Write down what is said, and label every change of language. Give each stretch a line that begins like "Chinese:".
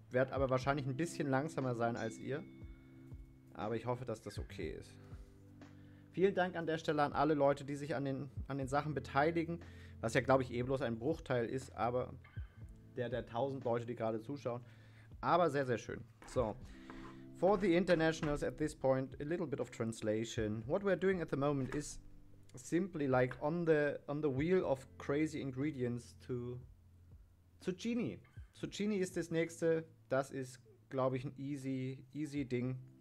German: Werd aber wahrscheinlich ein bisschen langsamer sein als ihr. Aber ich hoffe, dass das okay ist. Vielen Dank an der Stelle an alle Leute, die sich an den Sachen beteiligen. Was ja, glaube ich, eh bloß ein Bruchteil ist, aber der 1000 Leute, die gerade zuschauen. Aber sehr, sehr schön. So.
English: For the internationals at this point, a little bit of translation. What we're doing at the moment is simply like on the wheel of crazy ingredients to Zucchini.
German: Zucchini ist das nächste. Das ist, glaube ich, ein easy Ding.